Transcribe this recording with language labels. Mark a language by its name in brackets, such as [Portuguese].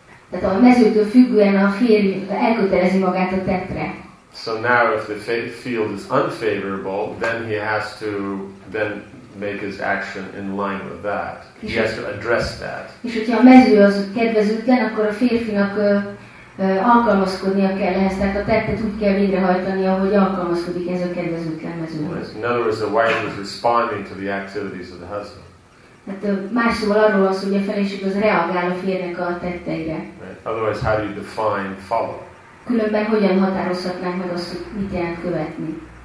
[Hungarian] Tehát a mezőtől függően a férj elkötelezi magát a tettre. [English] So now if the field is unfavorable, then he has to then make his action in line with that. He has to address that. [Hungarian] És hogyha a mező az kedvezőtlen, akkor a férfinak alkalmazkodnia kell ehhez. Tehát a tettet úgy kell végrehajtani, ahogy alkalmazkodik ez a kedvezőtlen mezőhöz. [English] In other words, the wife is responding to the activities of the husband. [Hungarian] Hát más szóval arról az, hogy a feleség az reagál a férjnek a tetteire. [English] Right. Otherwise, how do you define follow? [Hungarian] Különben hogyan határozhatnánk meg azt, hogy mit jelent követni?